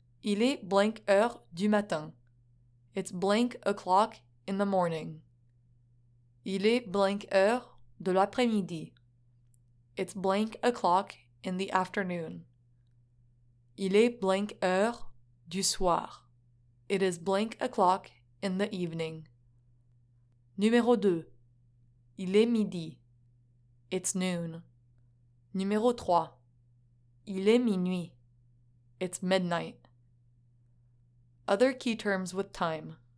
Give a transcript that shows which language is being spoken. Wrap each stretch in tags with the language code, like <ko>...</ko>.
<fr>Il est blank heure du matin.</fr> <en>It's blank o'clock in the morning.</en> <fr>Il est blank heure de l'après-midi.</fr> <en>It's blank o'clock in the afternoon.</en> <fr>Il est blank heure du soir.</fr> <en>It is blank o'clock in the evening.</en> <fr>Numéro 2. Il est midi.</fr> <en>It's noon.</en> <fr>Numéro 3. Il est minuit.</fr> <en>It's midnight. Other key terms with time.</en>